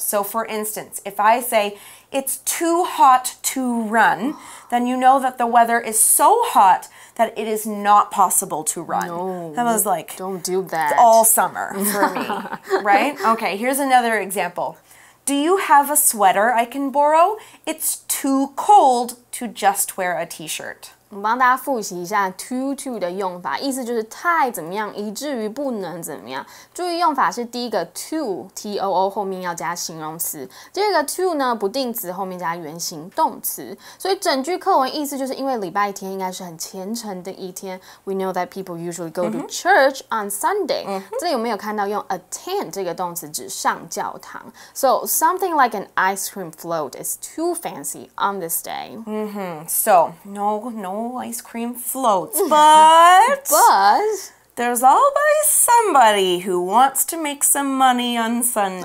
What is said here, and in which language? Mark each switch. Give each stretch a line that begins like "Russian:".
English: So for instance, if I say, it's too hot to run, then you know that the weather is so hot that it is not possible to run. No, that was like, don't do that. It's all summer for me, right? Okay, here's another example. Do you have a sweater I can borrow? It's too cold to just wear a t-shirt.
Chinese: 我们帮大家复习一下 too 的用法，意思就是太怎么样，以至于不能怎么样。注意用法是第一个 too T O O 后面要加形容词，第二个 too 呢不定词后面加原形动词。所以整句课文意思就是因为礼拜天应该是很虔诚的一天。
English: We know that people usually go to church on Sunday.、Mm-hmm.
Chinese: 这里有没有看到用 attend 这个动词指上教堂
English: ？So something like an ice cream float is too fancy on this day. So no ice cream floats, but there's always somebody who wants to make some money on Sunday.